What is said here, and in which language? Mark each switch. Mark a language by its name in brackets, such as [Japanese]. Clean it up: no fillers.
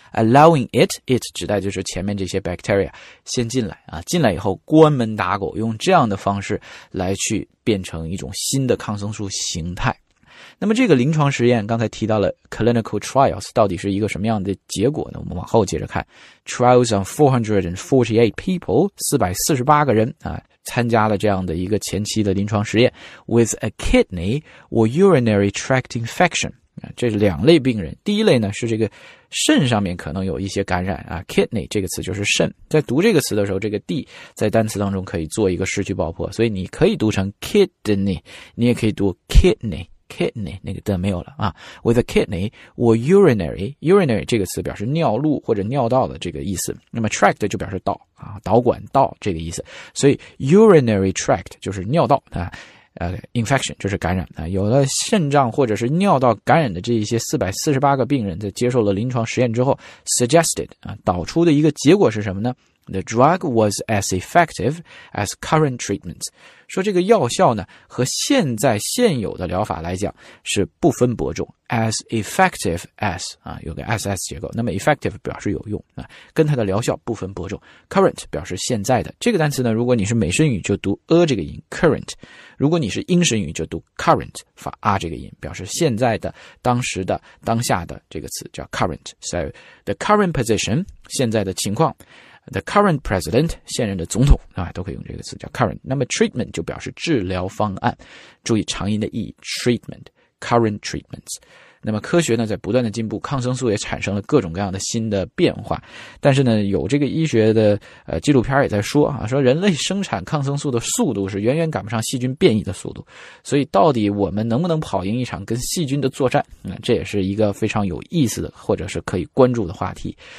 [Chinese] allowing it 指代就是前面这些 bacteria 先进来啊，进来以后关门打狗，用这样的方式来去变成一种新的抗生素形态。那么这个临床实验刚才提到了 clinical trials 到底是一个什么样的结果呢？我们往后接着看。 [English] trials on 448 people， [Chinese] 448个人啊，参加了这样的一个前期的临床实验 [English] with a kidney or urinary tract infection。 [Chinese] 这是两类病人，第一类呢是这个肾上面可能有一些感染啊。 kidney 这个词就是肾，在读这个词的时候，这个 d 在单词当中可以做一个失去爆破，所以你可以读成 kidney， 你也可以读 kidney 那个的没有了啊。 with a kidney or urinary 这个词表示尿路或者尿道的这个意思，那么 tract 就表示道啊，导管道这个意思，所以 urinary tract 就是尿道啊，infection 就是感染啊。有了肾脏或者是尿道感染的这一些448个病人，在接受了临床实验之后 suggested 啊，导出的一个结果是什么呢？ [English] The drug was as effective as current treatments. [Chinese] 说这个药效呢，和现有的疗法来讲是不分伯仲。 As effective as 啊，有个 SS 结构。那么 effective 表示有用啊，跟它的疗效不分伯仲。 Current 表示现在的。这个单词呢，如果你是美声语就读这个音 current， 如果你是英声语就读 current， 发这个音，表示现在的、当时的、当下的这个词叫 current。 [English] So the current position [Chinese] 现在的情况。 [English] The current president, [Chinese] 现任的总统啊，都可以用这个词叫 [English] current。 [Chinese] 那么 treatment 就表示治疗方案，注意长音的 e， treatment， current treatments。那么科学呢在不断的进步，抗生素也产生了各种各样的新的变化，但是呢有这个医学的纪录片也在说啊，说人类生产抗生素的速度是远远赶不上细菌变异的速度，所以到底我们能不能跑赢一场跟细菌的作战，这也是一个非常有意思的或者是可以关注的话题。